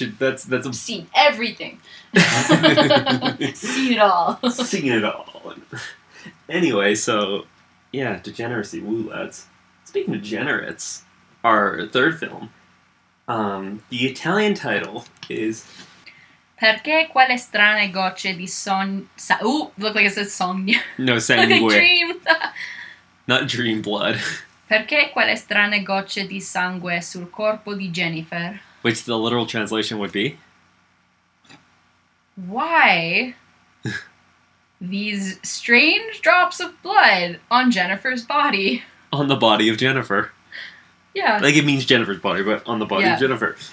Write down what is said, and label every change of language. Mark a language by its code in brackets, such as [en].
[en] I've seen everything. Seen it all. Seen it all. Anyway, so, yeah, degeneracy. Woo, lads. Speaking of degenerates, our third film, the Italian title is [it] Perché quelle strane gocce di son... [en] look like it says sogno. [it] No, sangue. [en] Like dream. Not dream blood. [it] Perché quelle strane gocce di sangue sul corpo di Jennifer? [en] Which the literal translation would be? Why these strange drops of blood on Jennifer's body? On the body of Jennifer. Yeah. Like, it means Jennifer's body, but on the body of Jennifer.